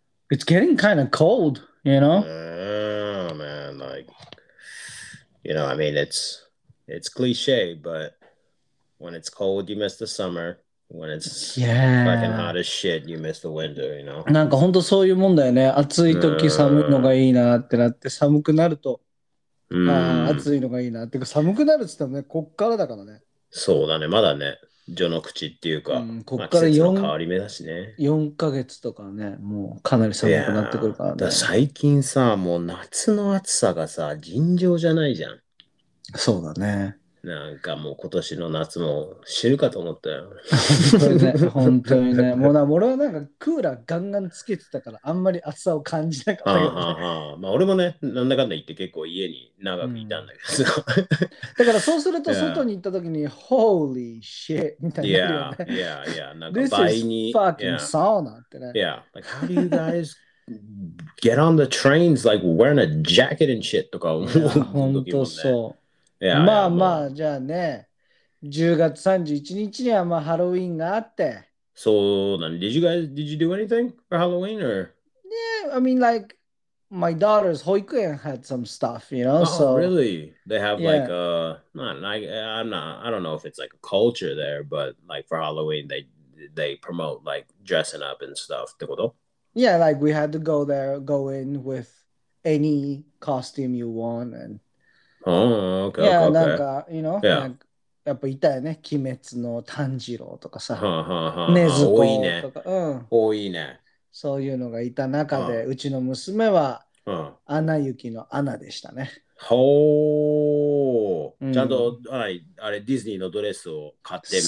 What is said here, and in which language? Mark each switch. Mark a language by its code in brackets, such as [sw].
[en] It's getting kind of cold, you know? Oh, man. Like, you know, I mean, it's cliche, but when it's cold, you miss the summer. When it's fucking hot as shit, you miss the winter, you know? [ja] なんか本当そういうもんだよね。暑い時寒いのがいいなってなって、寒くなると、暑いのがいいなってか、寒くなるって言ったらね、こっからだからね。そうだね、まだね、序の口っていうか、こっから季節の変わり目だしね。 4ヶ月とかね、もうかなり寒くなってくるからね。だから最近さ、もう夏の暑さがさ、尋常じゃないじゃん。そうだね。なんかもう今年の夏も死ぬかと思ったよ。本当にね、本当にね。もうな、俺はなんかクーラーガンガンつけてたから、あんまり暑さを感じなかったけど、ね。まあ俺もね、なんだかんだ言って結構家に長くいたんだけど。うん、だからそうすると外に行った時に、 [en] Holy shit! [ja] みたいな、ね。Yeah. なんか倍に。 This is fucking sauna ってね。 Yeah. [en] Like, how do you guys get on the trains like wearing a jacket and shit? [ja] とか思う時もね。本当そう。まあまあ、じゃあね、10月31日にはまあハロウィーンがあって。そうなん、 [en] did you do anything for Halloween or? Yeah, I mean like, my daughter's 保育園 had some stuff, you know, so. Oh, really? They have like a, I don't know if it's like a culture there, but like for Halloween, they promote like dressing up and stuff. [ja] ってこと? [en] Yeah, like we had to go there, go in with any costume you want and. Oh, okay. Yeah, okay. なんか you know, yeah. [ja] なんかやっぱいたよね。鬼滅の炭治郎とかさ、ねずことか、多いね、うん、多いね。そういうのがいた中で、うちの娘は、アナ雪のアナでしたね。ほー、ちゃんと、はい、あれディズニーのドレスを買ってみたいな。